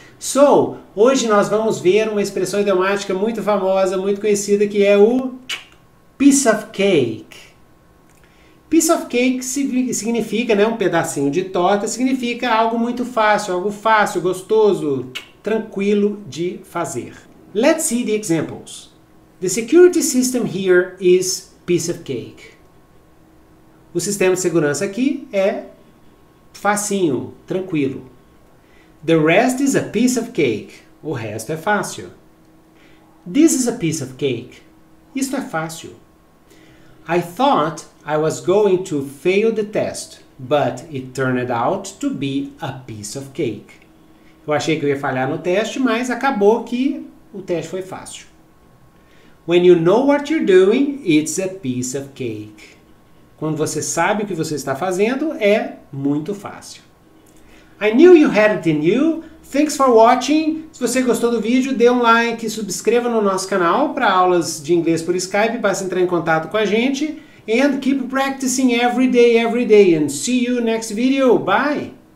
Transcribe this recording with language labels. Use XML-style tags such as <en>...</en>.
<pt>So, hoje nós vamos ver uma expressão idiomática muito famosa, muito conhecida, que é o piece of cake. Piece of cake significa, né, um pedacinho de torta, significa algo muito fácil, algo fácil, gostoso, tranquilo de fazer.</pt> <en>Let's see the examples. The security system here is piece of cake.</en> <pt>O sistema de segurança aqui é facinho, tranquilo.</pt> <en>The rest is a piece of cake.</en> <pt>O resto é fácil.</pt> <en>This is a piece of cake.</en> <pt>Isto é fácil.</pt> <en>I thought I was going to fail the test, but it turned out to be a piece of cake.</en> <pt>Eu achei que eu ia falhar no teste, mas acabou que o teste foi fácil.</pt> <en>When you know what you're doing, it's a piece of cake.</en> <pt>Quando você sabe o que você está fazendo, é muito fácil.</pt> <en>I knew you had it in you. Thanks for watching.</en> <pt>Se você gostou do vídeo, dê um like, subscreva no nosso canal para aulas de inglês por Skype, basta entrar em contato com a gente.</pt> <en>And keep practicing every day, and see you next video. Bye!</en>